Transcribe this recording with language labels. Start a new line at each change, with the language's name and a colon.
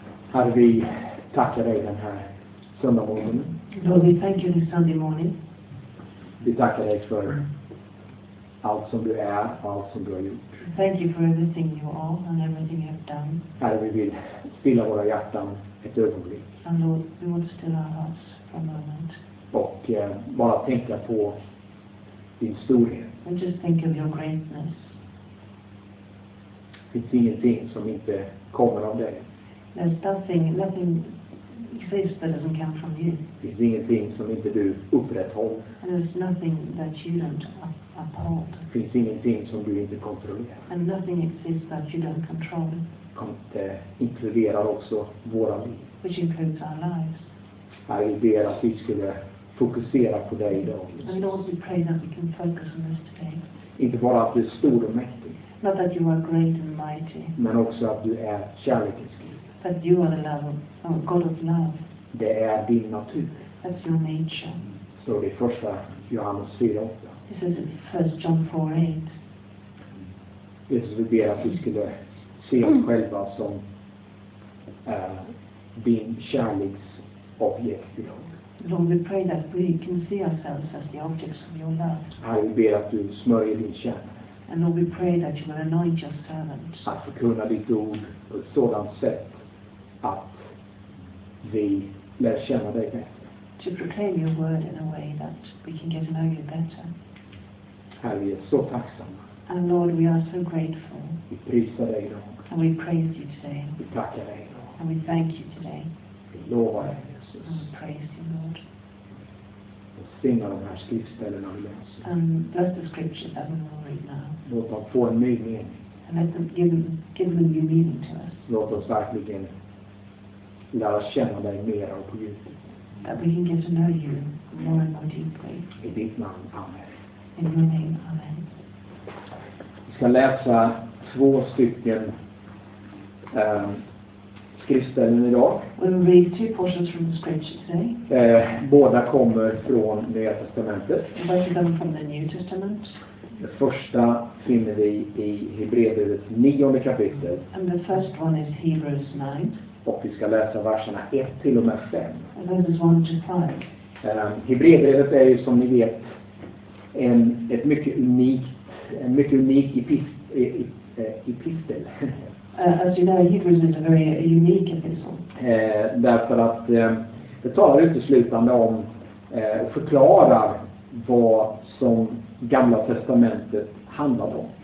Swedish: Hade vi tackat dig den här söndag morgonen?
English: Lord, we thank you this Sunday morning.
Swedish: Vi tackar dig för allt som du är och allt som du har gjort.
English: Thank you for everything you are and everything you have done.
Swedish: Herre, vi vill stilla våra hjärtan ett ögonblick.
English: And Lord, we want to still our hearts for a moment.
Swedish: Och bara tänka på din storhet.
English: And just think of your greatness.
Swedish: Det finns ingenting som inte kommer av dig.
English: There's nothing exists that doesn't come from you.
Swedish: Det finns ingenting som inte du upprätthåller.
English: And there's nothing that you don't uphold.
Swedish: Det finns ingenting som du inte kontrollerar.
English: And nothing exists that you don't control.
Swedish: Det inkluderar också våra liv.
English: Which includes our lives.
Swedish: Jag vill ber att vi skulle fokusera på dig idag.
English: And Lord, we pray that we can focus on this today.
Swedish: Inte bara att du är stor och mäktig.
English: Not that you are great and mighty.
Swedish: Men också att du är kärlekens Gud.
English: That you are the love of God of love.
Swedish: Det är din natur.
English: That's your nature.
Swedish: Så det är första Johannes 4:8.
English: This is 1 John 4:8.
Swedish: Jesus, vi ber att vi skulle se oss själva som din kärleks objekt idag.
English: Lord, we pray that we can see ourselves as the objects of your love.
Swedish: Här, vi ber att du smörjer din kärlek.
English: And Lord, we pray that you will anoint your servant.
Swedish: Att förkunna ditt ord på ett sådant sätt att vi lär känna dig bättre.
English: To proclaim your word in a way that we can get to know you better.
Swedish: Här, vi är så tacksamma.
English: And Lord, we are so grateful.
Swedish: Vi prisar dig idag.
English: And we praise you today.
Swedish: Vi tackar dig idag.
English: And we thank you today.
Swedish: Vi lovar dig, Jesus.
English: And we praise you, Lord.
Swedish: Välsigna de här skriftställena vi läser.
English: And bless the scriptures that we will read now.
Swedish: Låt dem få en ny mening.
English: And let them give them new meaning to us.
Swedish: Låt oss verkligen lära känna dig mer och på djupet.
English: That we can get to know you more and more deeply.
Swedish: I ditt namn, amen.
English: In your name, amen.
Swedish: Vi ska läsa två stycken skriftställen idag.
English: We will read two portions from the scripture today.
Swedish: Båda kommer från Nya Testamentet.
English: Both of them from the New Testament.
Swedish: Det första finner vi i Hebreerbrevets 9:e kapitel.
English: And the first one is Hebrews 9.
Swedish: Och vi ska läsa verserna 1-5.
English: And verses 1-5.
Swedish: Hebreerbrevet är ju, som ni vet, en mycket unik epistel.
English: As you know, Hebrews is a very unique epistle.
Swedish: Därför att det talar uteslutande om och förklarar vad som Gamla testamentet handlade om.